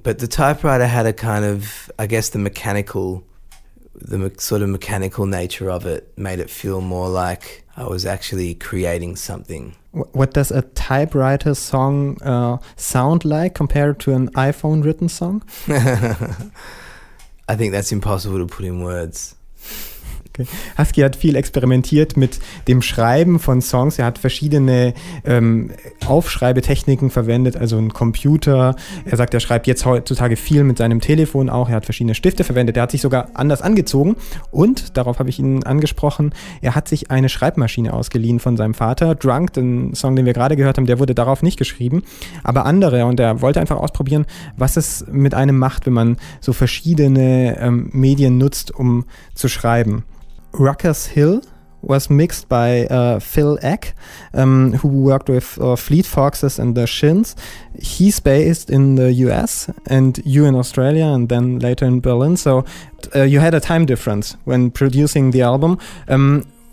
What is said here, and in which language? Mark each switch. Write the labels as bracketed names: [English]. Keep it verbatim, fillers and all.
[English] But the typewriter had a kind of, I guess, the mechanical, the me- sort of mechanical nature of it made it feel more like I was actually creating something. What does a typewriter song uh, sound like compared to an iPhone written song? I think that's impossible to put in words. Okay. [German] Husky hat viel experimentiert mit dem Schreiben von Songs. Er hat verschiedene ähm, Aufschreibetechniken verwendet, also einen Computer. Er sagt, er schreibt jetzt heutzutage viel mit seinem Telefon auch. Er hat verschiedene Stifte verwendet. Er hat sich sogar anders angezogen. Und, darauf habe ich ihn angesprochen, er hat sich eine Schreibmaschine ausgeliehen von seinem Vater. Drunk, den Song, den wir gerade gehört haben, der wurde darauf nicht geschrieben. Aber andere, und er wollte einfach ausprobieren, was es mit einem macht, wenn man so verschiedene ähm, Medien nutzt, um zu schreiben. [English] Ruckus Hill was mixed by uh, Phil Eck, um, who worked with uh, Fleet Foxes and the Shins. He's based in the U S and you in Australia and then later in Berlin. So uh, you had a time difference when producing the album. Um,